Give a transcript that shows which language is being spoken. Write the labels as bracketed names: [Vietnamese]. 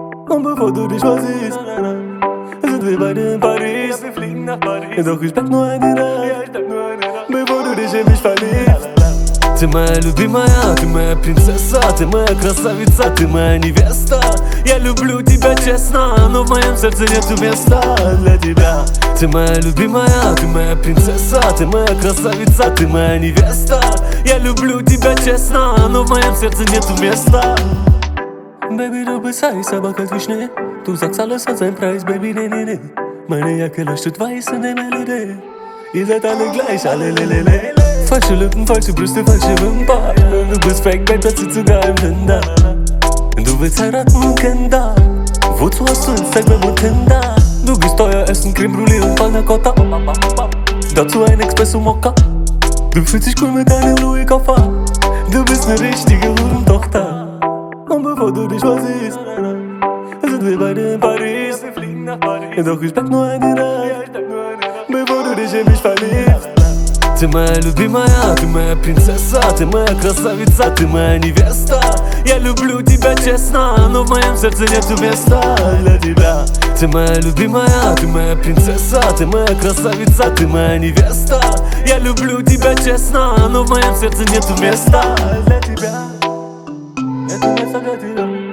[German] Und bevor du dich mal siehst, sind wir beide in Paris. Ja, wir fliegen nach Paris. Doch ich pack nur eine Nacht. Ja, ich pack nur eine Nacht. Bevor du dich in mich verliebst. [Russian] Ты моя любимая, ты моя принцесса, ты моя красавица, ты моя невеста. Я люблю тебя честно, но в моем сердце нету места для тебя. Ты моя любимая, ты моя принцесса, ты моя красавица, ты моя невеста. Я люблю тебя честно, но в моем сердце нету места. [German] Baby, du bist heiß, aber kalt wie Schnee. Du sagst alles hat seinen Preis, baby, nee, nee, nee. Meine Jacke leuchtet weiß in der Melodie. Ihr seid alle gleich, alle lelele. Le, le. Falsche Lippen, falsche Brüste, falsche Wimpern. Du bist fake, babe, das sieht sogar im Tinder. Du willst heiraten, Kinder. Wozu hast du Instagram und Tinder? Du gehst teuer essen, Creme Brulee und Panna Cotta. Dazu ein Espresso Mokka. Du fühlst dich cool mit deinem Louis Koffer. Du bist ne richtige Hurentochter. Und bevor du dich versiehst, sind wir beide in Paris. Ja, wir fliegen nach Paris. Doch ich pack nur eine Reise. Ja, ich pack nur eine Reise. Bevor du dich in mich verliebst. [Russian] Ты моя любимая, ты моя принцесса, ты моя красавица, ты моя невеста. Я люблю тебя честно, но в моем сердце нету места для тебя. Ты моя любимая, ты моя принцесса, ты моя красавица, ты моя невеста. Я люблю тебя честно, но в моем сердце нету места для тебя. Нету места для тебя.